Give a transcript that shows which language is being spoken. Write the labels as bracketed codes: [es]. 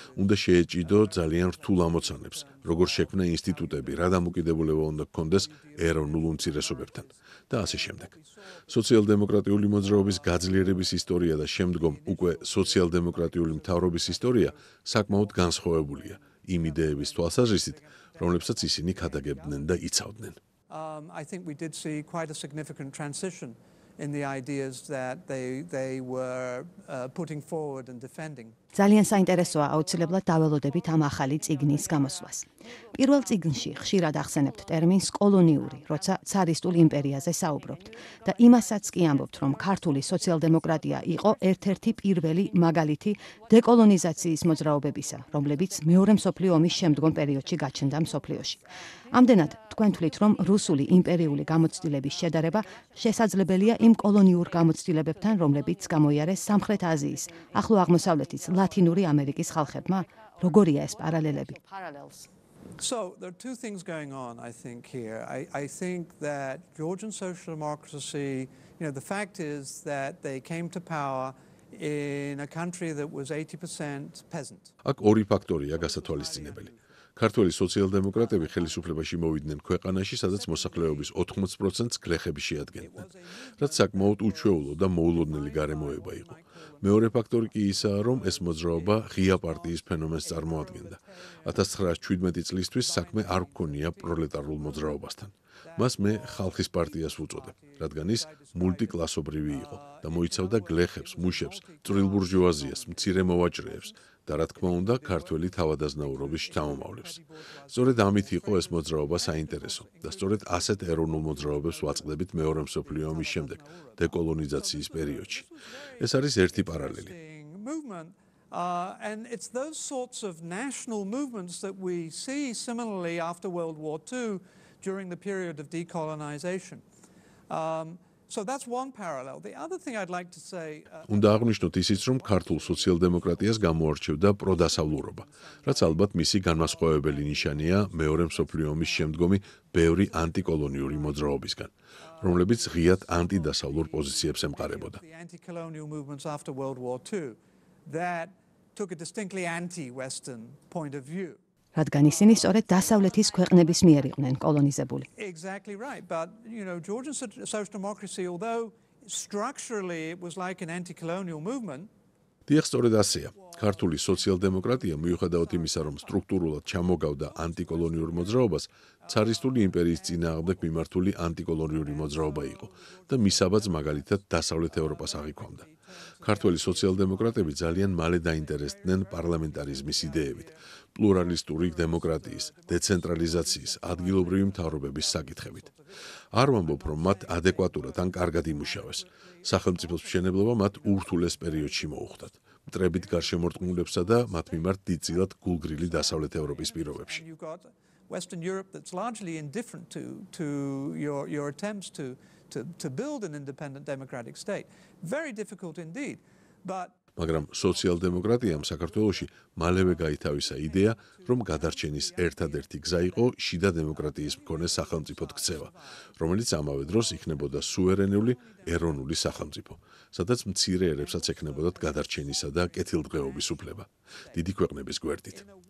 [ka] უნდა შეეჭიდო ძალიან რთულ ამოცანებს, როგორ შექმნა ინსტიტუტები, რა დამოკიდებულება უნდა ჰქონდეს ეროვნულ უმცირესობებთან და ასე შემდეგ. სოციალ-დემოკრატიული მოძრაობის გაძლიერების ისტორია და შემდგომ უკვე სოციალ-დემოკრატიული მთავრობის ისტორია საკმაოდ განსხვავებულია იმ იდეების თვალსაზრისით, რომლებსაც ისინი ქადაგებდნენ და იცავდნენ. [en] I think we did see quite a significant transition in the ideas that they were putting forward and defending. [ka] ძალიან საინტერესოა, აუცილებლად დაველოდებით ამ ახალი წიგნის გამოსვლას. პირველ წიგნში ხშირად ახსენებთ ტერმინს კოლონიური, როცა ცარისტულ იმპერიაზე საუბრობთ და იმასაც კი ამბობთ, რომ ქართული სოციალ-დემოკრატია იყო ერთ-ერთი პირველი მაგალითი დეკოლონიზაციის მოძრაობებისა, რომლებიც მეორე მსოფლიო ომის შემდგომ პერიოდში გაჩნდა მსოფლიოში. ამდენად, თქვენ თვლით, რომ რუსული იმპერიული გამოცდილების შედარება შესაძლებელია იმ კოლონიურ გამოცდილებებთან, რომლებიც გამოიარეს სამხრეთ აზიის, ახლო აღმოსავლეთის, ლათინური ამერიკის ხალხებმა? როგორია ეს პარალელები? [en] So there are two things going on, I think, here. I think that Georgian social democracy, the fact is that they came to power in a country that was 80% peasant. [ka] აქ ორი ფაქტორია გასათვალისწინებელი. ქართველი სოციალ-დემოკრატები ხელისუფლებაში მოვიდნენ ქვეყანაში, სადაც მოსახლეობის 80%-ს გლეხები შეადგენდნენ, რაც საკმაოდ უჩვეულო და მოულოდნელი გარემოება იყო. მეორე ფაქტორი კი ისაა, რომ ეს მოძრაობა ღია პარტიის ფენომენს წარმოადგენდა. 1917 წლისთვის საქმე არ ჰქონია პროლეტარულ მოძრაობასთან. მას მე ხალხის პარტიას ვუწოდებ, რადგან ის მულტიკლასობრივი იყო და მოიცავდა გლეხებს, მუშებს, წვრილბურჟუაზიას, მცირე მოვაჭრეებს და რა თქმა უნდა ქართველი თავადაზნაურობის შთამომავლებს. სწორედ ამით იყო ეს მოძრაობა საინტერესო და სწორედ ასეთ ეროვნულ მოძრაობებს ვაწყდებით მეორე მსოფლიო ომის შემდეგ, დეკოლონიზაციის პერიოდში. ეს არის ერთი პარალელი. [en] And it's those sorts of national movements that we see similarly after World War II during the period of decolonization. So that's one parallel. The other thing I'd like to say, [ka] უნდა აღნიშნოთ ისიც, რომ ქართულ სოციალ-დემოკრატიას გამოარჩევდა პროდასავლურობა, რაც ალბათ მისი განმასხვავებელი ნიშანია მეორე მსოფლიო ომის შემდგომი ბევრი ანტიკოლონიური მოძრაობისგან, რომლებიც ღიად ანტიდასავლურ პოზიციებს ემყარებოდა. რადგან ისინი სწორედ დასავლეთის ქვეყნების მიერ იყვნენ კოლონიზებული. [en] Exactly right, but you know, Georgian social democracy, although structurally it was like an anti-colonial movement. [ka] დიახ, სწორედ ასეა. ქართული სოციალ-დემოკრატია, მიუხედავად იმისა, რომ სტრუქტურულად ჩამოგავდა ანტიკოლონიურ მოძრაობას, ცარისტული იმპერიის წინააღმდეგ მიმართული ანტიკოლონიური მოძრაობა იყო და მისაბაც მაგალითად დასავლეთ ევროპას აღიქვამდა. ქართველი სოციალ-დემოკრატები ძალიან მალე დაინტერესდნენ პარლამენტარიზმის იდეებით, პლურალისტური დემოკრატიის, დეცენტრალიზაციის, ადგილობრივი მთავრობების საკითხებით. არ ვამბობ, რომ მათ ადეკვატურად ან კარგად იმუშავეს. სახელმწიფოს მშენებლობა მათ ურთულეს პერიოდში მოუხდათ, მტრებით გარშემორტყმულებსა და მათ მიმართ დიდწილად გულგრილი დასავლეთ ევროპის პირობებში. [en] Western Europe that's largely indifferent to your attempts to build an independent democratic state. Very difficult indeed. But [ka] მაგრამ სოციალ-დემოკრატიამ საქართველოში მალევე გაითავისა იდეა, რომ გადარჩენის ერთადერთი გზა იყო შიდა დემოკრატიის მქონე სახელმწიფოდ ქცევა, რომელიც ამავე დროს იქნებოდა სუვერენული ეროვნული სახელმწიფო, სადაც მცირე ერებსაც ექნებოდათ გადარჩენისა და კეთილდღეობის უფლება დიდი ქვეყნების გვერდით.